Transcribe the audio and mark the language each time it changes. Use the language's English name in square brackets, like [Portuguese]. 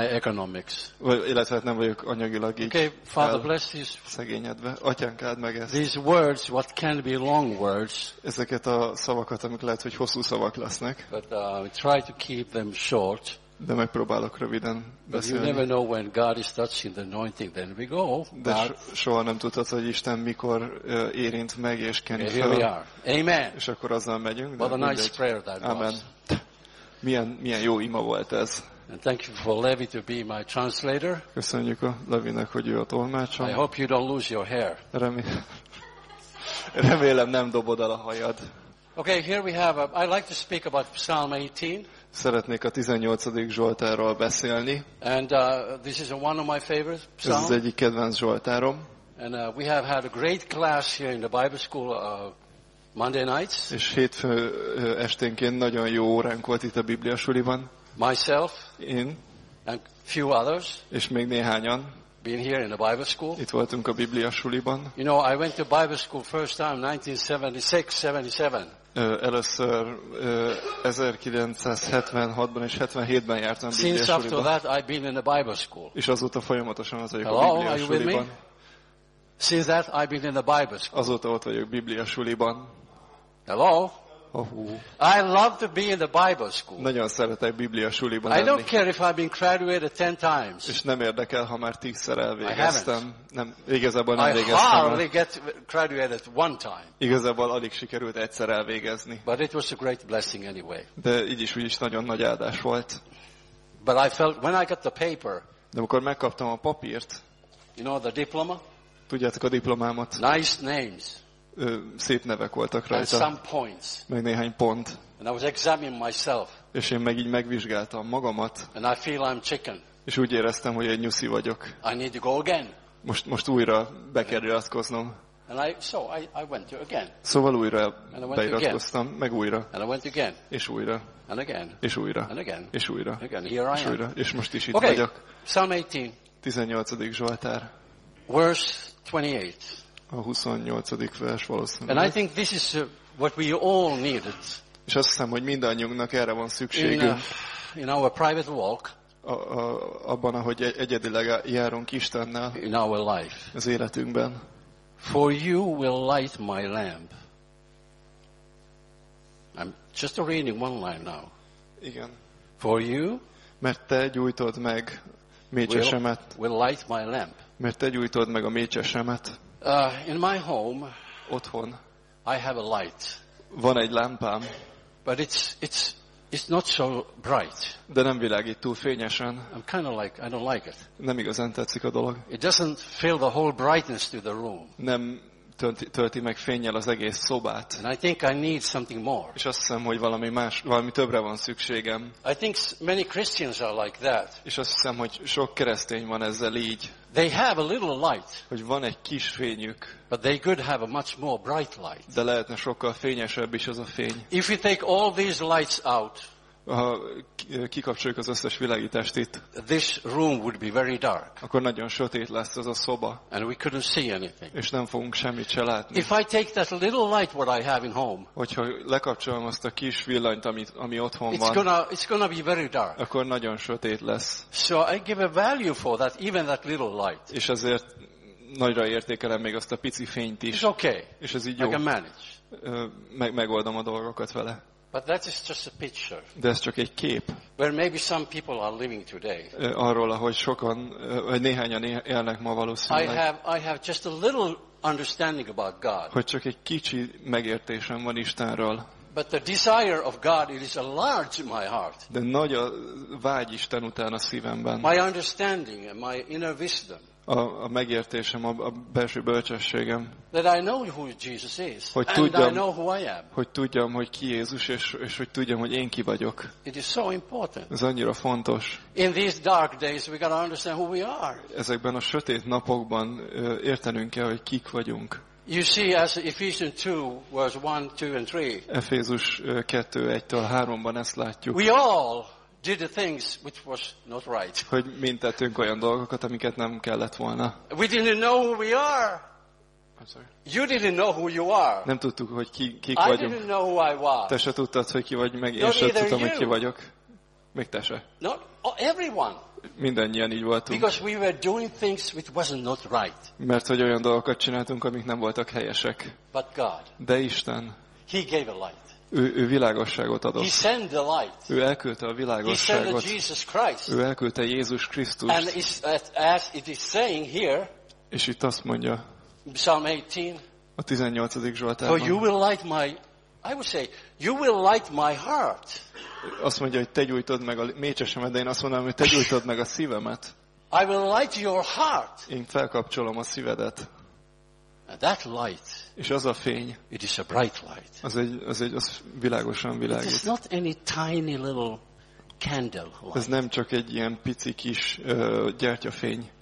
[English] My economics. [Hungarian] Illetve nem vagyok anyagilag így. [English] Okay, Father bless you. [Hungarian] Szegényedve. Atyánk áld meg ezt. [English] These words, what can be long words. [Hungarian] Ezeket a szavakat, amik lehet, hogy hosszú szavak lesznek. [English] But try to keep them short. [Hungarian] De megpróbálok röviden beszélni. [English] You never know when God is touching the anointing, then we go. [Hungarian] De soha nem tudhatod, hogy Isten mikor érint meg és keni fel. Amen. És akkor azzal megyünk. [English] What a nice prayer that was. [Hungarian] Amen. Milyen jó ima volt ez. [English] And thank you for Levi to be my translator. [Hungarian] Köszönjük a Levinek, hogy ő a tolmácsom. [English] I hope you don't lose your hair. [Hungarian] Remélem nem dobod el a hajad. [English] Okay, here we have I'd like to speak about Psalm 18. [Hungarian] Szeretnék a 18. Zsoltárról beszélni. [English] And this is one of my favorite psalms. [Hungarian] Ez az egyik kedvenc Zsoltárom. [English] And we have had a great class here in the Bible school Monday nights. [Hungarian] És hétfő esténként nagyon jó óránk volt itt a Biblia suliban. [English] Myself. [Hungarian] Én. [English] And few others. [Hungarian] És még néhányan. [English] Been here in the Bible school. [Hungarian] Itt voltunk a Biblia suliban. [English] You know, I went to Bible school first time 1976-77. [Hungarian] Először 1976-ban és 77-ben jártam Biblia suliban. [English] Since after that I've been in the Bible school. [Hungarian] És azóta folyamatosan az vagyok [English] Hello, [Hungarian] a Biblia suliban. [English] Since that I've been in the Bible school. [Hungarian] Azóta ott vagyok Biblia suliban. [English] Hello. Oh-hú. I love to be in the Bible school. [Hungarian] Nagyon szeretek Biblia suliban lenni. [English] I don't care if I've been graduated 10 times. [Hungarian] És nem érdekel, ha már 10-szer elvégeztem. Nem, igazából nem [English] I [Hungarian] végeztem. [English] I hardly get graduated one time. [Hungarian] Igazából alig sikerült egyszer elvégezni. [English] But it was a great blessing anyway. [Hungarian] De így is, úgy is nagyon nagy áldás volt. [English] But I felt when I got the paper. [Hungarian] De amikor megkaptam a papírt. [English] You know the diploma? [Hungarian] Tudjátok a diplomámat? [English] Nice names. [Hungarian] Szép nevek voltak rajta. [English] Some points. [Hungarian] Meg néhány pont. [English] And I was examining myself. [Hungarian] És én meg így megvizsgáltam magamat. [English] And I feel I'm chicken. [Hungarian] És úgy éreztem, hogy egy nyuszi vagyok. [English] I need to go again. [Hungarian] Most újra be kell iratkoznom. [English] And I went to again. [Hungarian] Szóval újra beiratkoztam, meg újra. [English] And I went again. [Hungarian] És újra. [English] And again. [Hungarian] És újra. [English] And again. [Hungarian] És újra. [English] Again. Here I [Hungarian] és újra. [English] Am. [Hungarian] És most is itt [English] okay. [Hungarian] vagyok. [English] Psalm 18. [Hungarian] 18. Zsoltár. [English] Verse 28. [Hungarian] A 28. vers valószínűleg. [English] And I think this is what we all needed. [Hungarian] És azt hiszem, hogy mindannyiunknak erre van szükségünk. [English] In our private walk. [Hungarian] Abban, ahogy egyedileg járunk Istennel. [English] In our life. [Hungarian] Az életünkben. [English] For you will light my lamp. I'm just reading one line now. [Hungarian] Igen. [English] For you. [Hungarian] Mert te gyújtod meg mécsesemet. [English] Will light my lamp. [Hungarian] Mert te gyújtod meg a mécsesemet. [English] In my home, [Hungarian] otthon, [English] I have a light. [Hungarian] Van egy lámpám, [English] but it's not so bright. [Hungarian] De nem világít túl fényesen. [English] I'm kind of like I don't like it. [Hungarian] Nem igazán tetszik a dolog. [English] It doesn't fill the whole brightness to the room. [Hungarian] Nem tölti meg fénnyel az egész szobát. [English] And I think I need something more. [Hungarian] És azt hiszem, hogy valami más, valami többre van szükségem. [English] I think many Christians are like that. [Hungarian] És azt hiszem, hogy sok keresztény van ezzel így. [English] They have a little light. [Hungarian] Hogy van egy kis fényük. [English] But they could have a much more bright light. [Hungarian] De lehetne sokkal fényesebb is az a fény. [English] If you take all these lights out. [Hungarian] Ha kikapcsoljuk az összes világítást itt. [English] This room would be very dark. [Hungarian] Akkor nagyon sötét lesz ez a szoba. [English] And we couldn't see anything. [Hungarian] És nem fogunk semmit se látni. [English] If I take that little light what I have in home. [Hungarian] Hogyha lekapcsolom azt a kis villanyt, ami otthon van. [English] It's gonna be very dark. [Hungarian] Akkor nagyon sötét lesz. [English] So I give a value for that, even that little light. [Hungarian] És ezért nagyra értékelem még azt a pici fényt is. [English] It's okay. [Hungarian] És ez így jó. [English] I can manage. [Hungarian] Megoldom a dolgokat vele. [English] But that is just a picture. [Hungarian] De ez csak egy kép. [English] Where maybe some people are living today. [Hungarian] Arról, ahogy sokan, vagy néhányan élnek ma valószínűleg. [English] I have just a little understanding about God. [Hungarian] Hogy csak egy kicsi megértésem van Istenről. [English] But the desire of God it is a large in my heart. [Hungarian] De nagy a vágy Isten után a szívemben. [English] My understanding and my inner wisdom. [Hungarian] A megértésem, a belső bölcsességem. [English] That I know who Jesus is, [Hungarian] hogy tudjam, [English] and I know who I am. [Hungarian] Hogy tudjam, hogy ki Jézus, és hogy tudjam, hogy én ki vagyok. [English] It is so important. [Hungarian] Ez annyira fontos. [English] In these dark days we got to understand who we are. [Hungarian] Ezekben a sötét napokban értenünk kell, hogy kik vagyunk. [English] You see, as Ephesians 2, verse 1, 2, and 3. [Hungarian] Efézus 2, 1-től 3-ban ezt látjuk. [English] We all did the things which was not right. [Hungarian] Hogy mind tettünk olyan dolgokat, amiket nem kellett volna. [English] We didn't know who we are. I'm sorry. You didn't know who you are. [Hungarian] Nem tudtuk, hogy kik [English] I [Hungarian] vagyunk. [English] I didn't know who I was. [Hungarian] Te se tudtad, hogy ki vagy, meg én se tudtam, hogy ki vagyok. Még te se. [English] Not everyone. [Hungarian] Mindannyian így voltunk. [English] Because we were doing things which wasn't not right. [Hungarian] Mert hogy olyan dolgokat csináltunk, amik nem voltak helyesek. [English] But God. [Hungarian] De Isten. [English] He gave a light. [Hungarian] Ő világosságot adott. [English] He sent the light. [Hungarian] Ő elküldte a világosságot. [English] He sent Jesus Christ. [Hungarian] Ő elküldte Jézus Krisztust. [English] And as it is saying here. [Hungarian] És itt azt mondja. [English] Psalm 18. [Hungarian] A 18. Zsoltárban. [English] So you will light my, I would say, you will light my heart. [Hungarian] Azt mondja, hogy te gyújtod meg a mécsesemet, de én azt mondom, hogy te gyújtod meg a szívemet. [English] I will light your heart. [Hungarian] Én felkapcsolom a szívedet. [English] And that light. [Hungarian] És az a fény. [English] It is a bright light. [Hungarian] Az világosan világít. [English] It is not any tiny little candle light. [Hungarian] Ez nem csak egy ilyen pici kis gyertyafény.